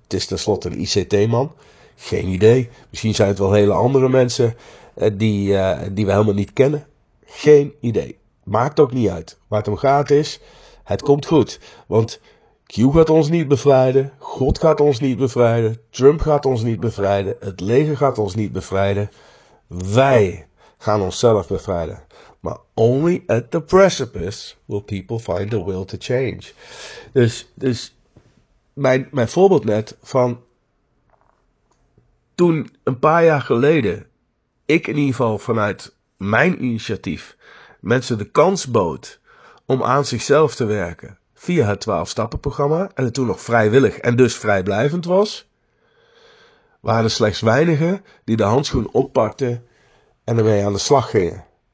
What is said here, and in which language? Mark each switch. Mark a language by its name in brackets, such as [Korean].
[Dutch] Het is tenslotte een ICT-man. Geen idee. Misschien zijn het wel hele andere mensen die we helemaal niet kennen. Geen idee. Maakt ook niet uit. Waar het om gaat is, het komt goed. Want Q gaat ons niet bevrijden. God gaat ons niet bevrijden. Trump gaat ons niet bevrijden. Het leger gaat ons niet bevrijden. Wij gaan onszelf bevrijden. Maar [English] only at the precipice will people find the will to change. [Dutch] Dus mijn voorbeeld net van toen een paar jaar geleden ik in ieder geval vanuit mijn initiatief mensen de kans bood om aan zichzelf te werken via het 12-stappenprogramma en het toen nog vrijwillig en dus vrijblijvend was, waren er slechts weinigen die de handschoen oppakten en ermee aan de slag gingen.